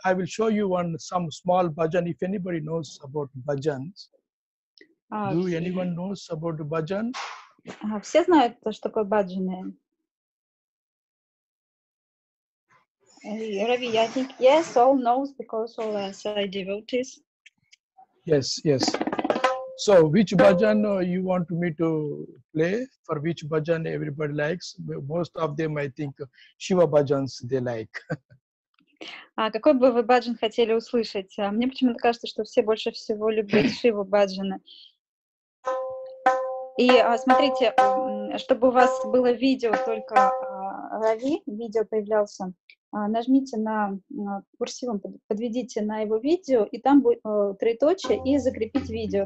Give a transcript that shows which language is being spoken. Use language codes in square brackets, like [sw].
[en] I will show you one some small bhajan. If anybody knows about bhajans, do anyone knows about bhajan? [ru] Все знают, что такое бхаджаны. [en] Рави, I think yes, all knows because all Sai devotees. Yes, yes. So which bhajan you want me to play? For which bhajan everybody likes? Most of them, I think, Shiva bhajans they like. [ru] А какой бы вы баджан хотели услышать? А мне почему-то кажется, что все больше всего любят Шиву баджаны. И смотрите, чтобы у вас было видео только Рави, видео появлялся, нажмите на курсивом, подведите на его видео, и там будет троеточие, и закрепить видео.